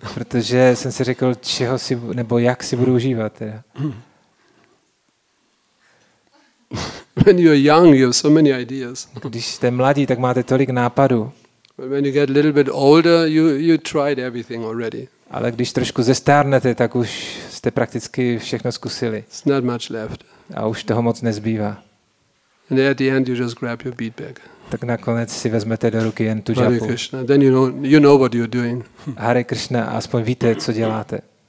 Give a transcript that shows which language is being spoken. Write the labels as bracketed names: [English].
[Czech] Protože jsem si řekl, čeho si nebo jak si budu užívat teda. [English] When you're young, you have so many ideas. [Czech] Když jste mladí, tak máte tolik nápadů. [English] But when you get a little bit older, you tried everything already. [Czech] Ale když trošku zestárnete, tak už jste prakticky všechno zkusili. [English] It's not much left. [Czech] A už toho moc nezbývá. [English] And at the end, you just grab your beat bag. [Czech] Tak nakonec si vezmete do ruky jen tu džapu. [English] Hare Krishna, then you know what you're doing. [Czech] Hare Krishna, aspoň víte, co děláte.